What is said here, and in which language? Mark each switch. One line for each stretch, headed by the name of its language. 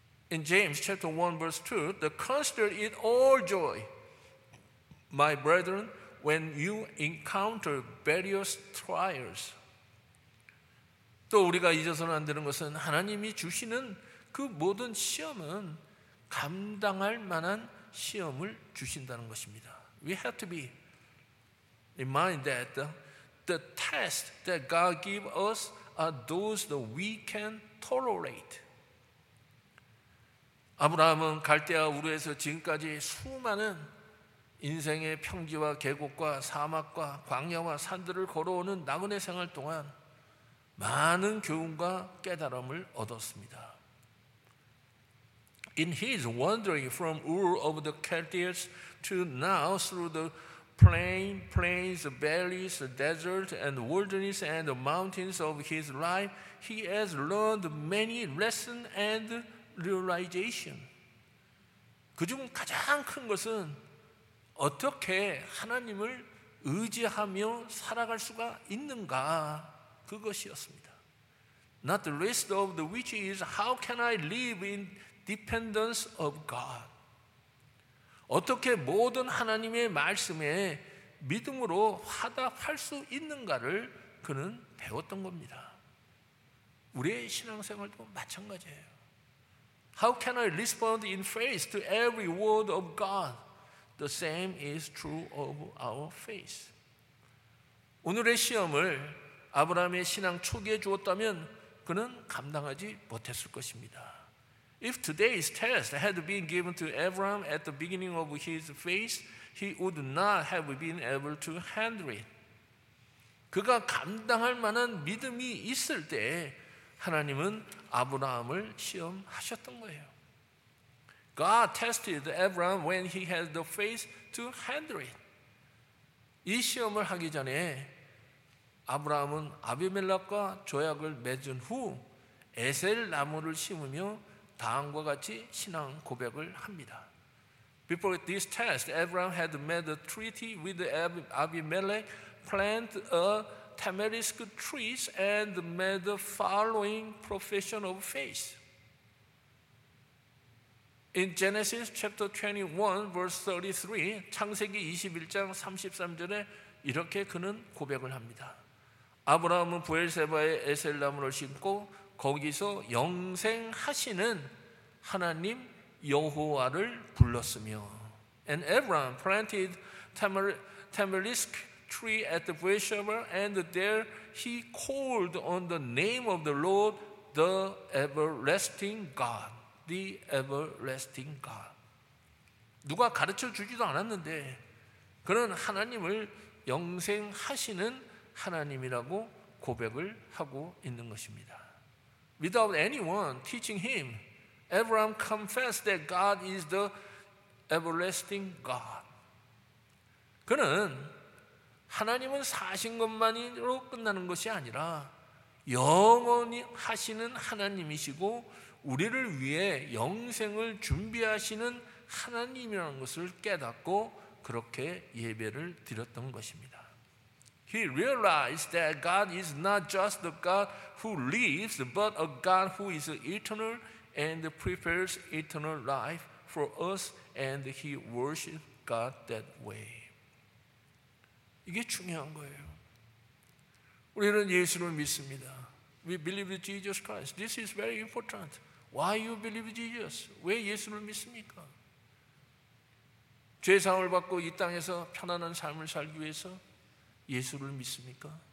English: In James chapter 1 verse 2 the consider it all joy my brethren when you encounter various trials.
Korean: 또 우리가 잊어서는 안 되는 것은 하나님이 주시는 그 모든 시험은 감당할 만한 시험을 주신다는 것입니다.
English: We have to be reminded that the tests that God gives us are those that we can tolerate.
Korean: 아브라함은 갈대아 우르에서 지금까지 수많은 인생의 평지와 계곡과 사막과 광야와 산들을 걸어오는 나그네 생활 동안 많은 교훈과 깨달음을 얻었습니다.
English: In his wandering from Ur of the Chaldeans to now through the plains, valleys, desert and wilderness and the mountains of his life, he has learned many lessons and realization.
Korean: 그중 가장 큰 것은 어떻게 하나님을 의지하며 살아갈 수가 있는가 그것이었습니다.
English: Not the least of the which is how can I live in dependence of God?
Korean: 어떻게 모든 하나님의 말씀에 믿음으로 화답할 수 있는가를 그는 배웠던 겁니다. 우리의 신앙생활도 마찬가지예요.
English: How can I respond in faith to every word of God? The same is true of our faith.
Korean: 오늘의 시험을 아브라함의 신앙 초기에 주었다면 그는 감당하지 못했을 것입니다.
English: If today's test had been given to Abraham at the beginning of his faith, he would not have been able to handle it.
Korean: 그가 감당할 만한 믿음이 있을 때 하나님은 아브라함을 시험하셨던 거예요.
English: God tested Abraham when he had the faith to handle it.
Korean: 이 시험을 하기 전에 아브라함은 아비멜렉과 조약을 맺은 후 에셀 나무를 심으며 다음과 같이 신앙 고백을 합니다.
English: Before this test, Abraham had made a treaty with Abimelech, planted a tamarisk tree, and made the following profession of faith. In Genesis chapter 21 verse 33,
Korean: 창세기 21장 33절에 이렇게 그는 고백을 합니다. 아브라함은 부엘세바의 에셀 나무를 심고 거기서 영생하시는 하나님 여호와를 불렀으며
English: And Abraham planted tamarisk tree at the Beersheba and there he called on the name of the Lord the everlasting God. The everlasting God.
Korean: 누가 가르쳐 주지도 않았는데 그는 하나님을 영생하시는 하나님이라고 고백을 하고 있는 것입니다.
English: Without anyone teaching him, Abraham confessed that God is the everlasting God.
Korean: 그는 하나님은 사신 것만으로 끝나는 것이 아니라 영원히 하시는 하나님이시고 우리를 위해 영생을 준비하시는 하나님이라는 것을 깨닫고 그렇게 예배를 드렸던 것입니다.
English: He realized that God is not just a God who lives, but a God who is eternal and prepares eternal life for us and he worshiped God that way.
Korean: 이게 중요한 거예요. 우리는 예수를 믿습니다.
English: We believe in Jesus Christ. This is very important. Why you believe in Jesus?
Korean: 왜 예수를 믿습니까? 죄사함을 받고 이 땅에서 편안한 삶을 살기 위해서 예수를 믿습니까?